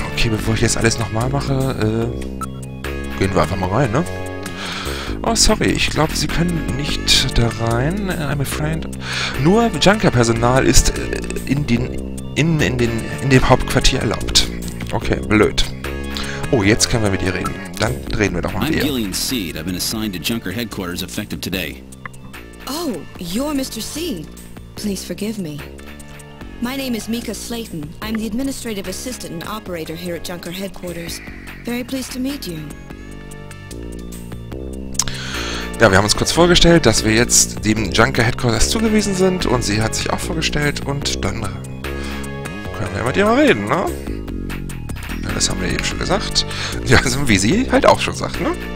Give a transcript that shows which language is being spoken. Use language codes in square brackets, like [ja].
[de] Okay, bevor ich jetzt alles nochmal mache, gehen wir einfach mal rein, ne? Oh, sorry, ich glaube, sie können nicht da rein. [en] I'm a friend. [de] Nur Junker-Personal ist in dem Hauptquartier erlaubt. Okay, blöd. Oh, jetzt können wir mit ihr reden. Dann reden wir doch mal mit ihr. [en] I'm Gillian Seed. I've been assigned to Junker Headquarters effective today. Oh, you're Mr. Seed. Please forgive me. My name is Mika Slayton. I'm the administrative assistant and operator here at Junker Headquarters. Very pleased to meet you. [de] Ja, wir haben uns kurz vorgestellt, dass wir jetzt dem Junker Headquarters zugewiesen sind und sie hat sich auch vorgestellt und dann können wir mit ihr mal reden, ne? Ja, das haben wir eben schon gesagt. Ja, also wie sie halt auch schon sagt, ne?